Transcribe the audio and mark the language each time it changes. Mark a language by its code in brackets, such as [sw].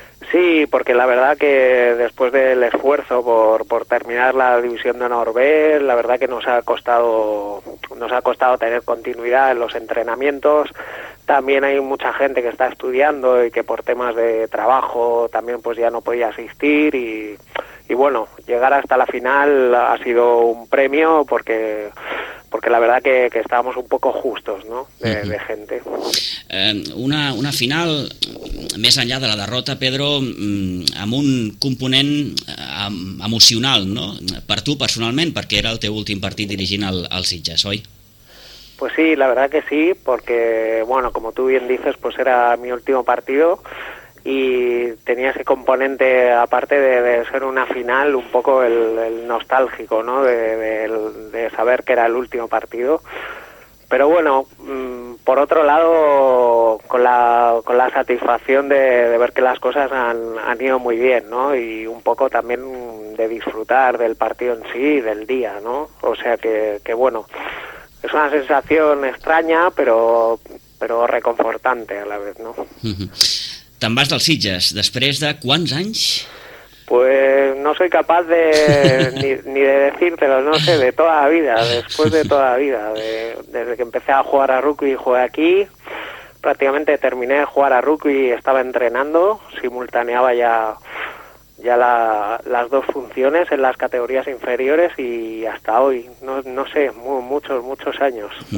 [es] Sí, porque la verdad que después del esfuerzo por terminar la división de honor B, la verdad que nos ha costado tener continuidad en los entrenamientos. También hay mucha gente que está estudiando y que por temas de trabajo también pues ya no podía asistir, y bueno, llegar hasta la final ha sido un premio porque la verdad que estábamos un poco justos, ¿no? De gente. [ca] Una final més enllà de la derrota, Pedro, amb un component emocional, ¿no? Per tu personalment, perquè era el teu últim partit dirigint el Sitges, oi? [es] Pues sí, la verdad que sí, porque bueno, como tú bien dices, pues era mi último partido y tenía ese componente, aparte de ser una final, un poco el nostálgico, ¿no? De saber que era el último partido. Pero bueno, por otro lado, con la satisfacción de ver que las cosas han ido muy bien, ¿no? Y un poco también de disfrutar del partido en sí, del día, ¿no? O sea que bueno, es una sensación extraña, pero reconfortante a la vez, ¿no? [ca] Te'n vas dels Sitges després de quants anys? [es] Pues no soy capaz de ni de decírtelo, no sé, de toda la vida, después de toda la vida, desde que empecé a jugar a rugby, jugué aquí, prácticamente terminé de jugar a rugby y estaba entrenando, simultaneaba ya las dos funciones en las categorías inferiores y hasta hoy, no sé, muchos años.